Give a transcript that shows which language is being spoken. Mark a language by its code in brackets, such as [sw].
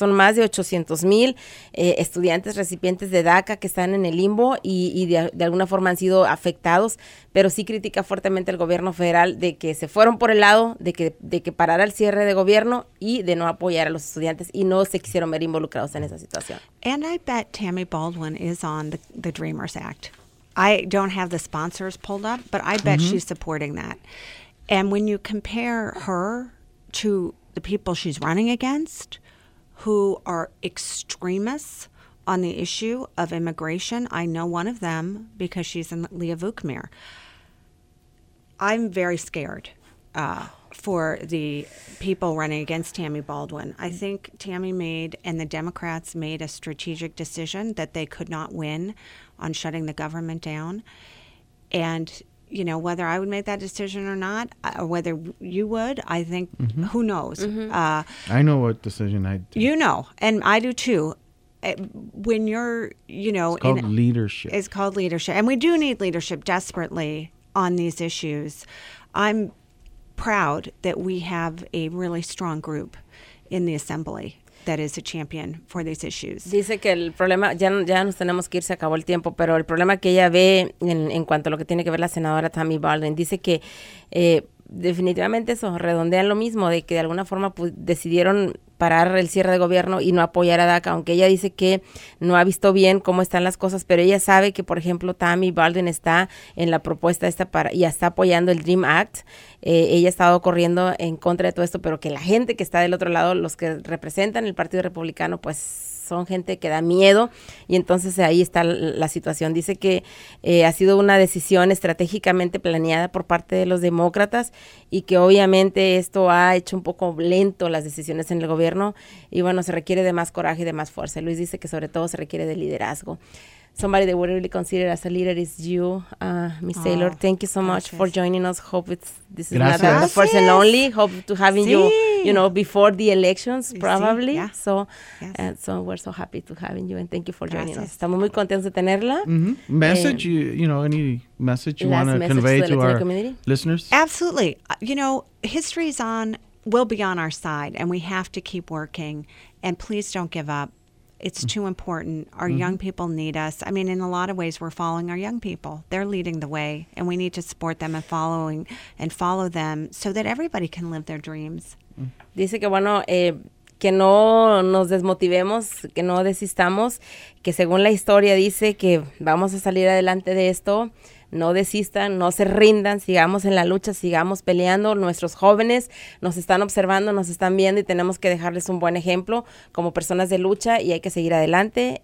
[es] Son más de 800,000 estudiantes recipientes de DACA que están en el limbo y de alguna forma han sido afectados, pero sí critica fuertemente el gobierno federal de que se fueron por el lado de que parara el cierre de gobierno y de no apoyar a los estudiantes y no se quisieron ver involucrados en esa situación. [en] And I bet Tammy Baldwin is on the Dreamers Act. I don't have the sponsors pulled up, but I bet mm-hmm. she's supporting that. And when you compare her to the people she's running against, who are extremists on the issue of immigration, I know one of them because she's in Leah Vukmir. I'm very scared for the people running against Tammy Baldwin. I think Tammy made, and the Democrats made, a strategic decision that they could not win on shutting the government down. And, you know, whether I would make that decision or not, or whether you would, I think, mm-hmm. who knows? Mm-hmm. I know what decision I'd take. You know, and I do too. When you're, you know, it's called leadership. It's called leadership. And we do need leadership desperately on these issues. I'm proud that we have a really strong group in the assembly that is a champion for these issues. [es] Dice que el problema, ya nos tenemos que ir, se acabó el tiempo, pero el problema que ella ve en cuanto a lo que tiene que ver la senadora Tammy Baldwin, dice que definitivamente eso redondea lo mismo, de que de alguna forma decidieron parar el cierre de gobierno y no apoyar a DACA, aunque ella dice que no ha visto bien cómo están las cosas, pero ella sabe que, por ejemplo, Tammy Baldwin está en la propuesta esta para y está apoyando el Dream Act. Ella ha estado corriendo en contra de todo esto, pero que la gente que está del otro lado, los que representan el Partido Republicano, pues son gente que da miedo, y entonces ahí está la situación. Dice que ha sido una decisión estratégicamente planeada por parte de los demócratas y que obviamente esto ha hecho un poco lento las decisiones en el gobierno. gobierno. Y bueno, se requiere de más coraje y de más fuerza. Luis dice que sobre todo se requiere de liderazgo. [en] Somebody that would really consider as a leader is you, Miss Taylor. Thank you so much for joining us. Hope it's this is not the first and only. Hope to having you, you know, before the elections, probably. So, so we're so happy to having you and thank you for joining us. [es] Estamos muy contentos de tenerla. Mm-hmm. [en] Message, you know, any message you want to convey to our listeners? Absolutely. You know, history is on, will be on our side, and we have to keep working. And please don't give up. It's too important. Our young people need us. I mean, in a lot of ways, we're following our young people. They're leading the way, and we need to support them and following and follow them so that everybody can live their dreams. [es] Dice que, bueno, que no nos desmotivemos, que no desistamos, que según la historia dice que vamos a salir adelante de esto. No desistan, no se rindan, sigamos en la lucha, sigamos peleando. Nuestros jóvenes nos están observando, nos están viendo y tenemos que dejarles un buen ejemplo como personas de lucha y hay que seguir adelante.